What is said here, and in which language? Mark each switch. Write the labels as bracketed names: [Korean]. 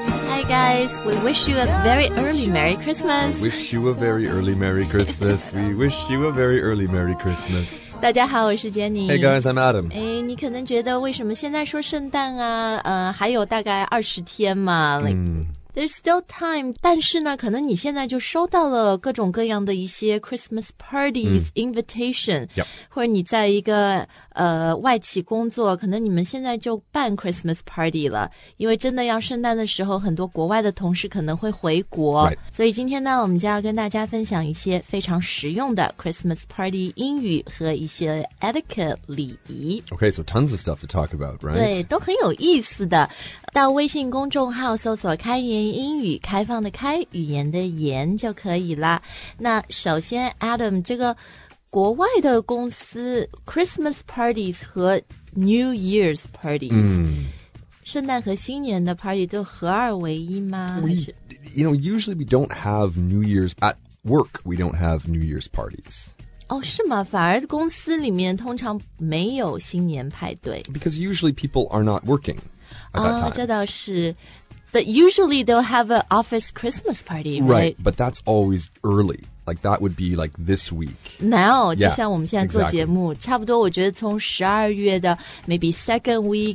[English] Hi guys, we wish you a very early Merry Christmas. Wish you a very early Merry Christmas. We wish you a very early Merry Christmas. [Chinese] 大家好，我是 Jenny。 [English] Hey guys, I'm Adam. [Chinese] 哎，你可能觉得为什么现在说圣诞啊？还有大概20天嘛。 [English] There's still time, [Chinese] 但是呢，可能你现在就收到了各种各样的一些 Christmas parties,invitation,或者你在一个外企工作，可能你们现在就办 Christmas party 了，因为真的要圣诞的时候，很多国外的同事可能会回国。 [English] Right. [Chinese] 所以今天呢，我们就要跟大家分享一些非常实用的 Christmas party 英语和一些 etiquette 礼仪。 [English] Okay, so tons of stuff to talk about, right? [Chinese] 对，都很有意思的。到微信公众号搜索开言英语，开放的开，语言的言就可以了。那首先 Adam, 这个国外的公司 Christmas parties 和 New Year's parties,圣诞和新年的 party 都合二为一吗？ [English] You know, usually we don't have New Year's at work, we don't have New Year's parties. [Chinese] 哦，是吗？反而公司里面通常没有新年派对。 [English] Because usually people are not working at that time. [Chinese] 这倒是。 [English] But usually they'll have an office Christmas party, right? Right, but that's always early. Like that would be like this week. Now, yeah, [Chinese] 就像我们现在做节目、 [English] exactly. [Chinese] 差不多我觉得从12月的 [English] maybe second week,、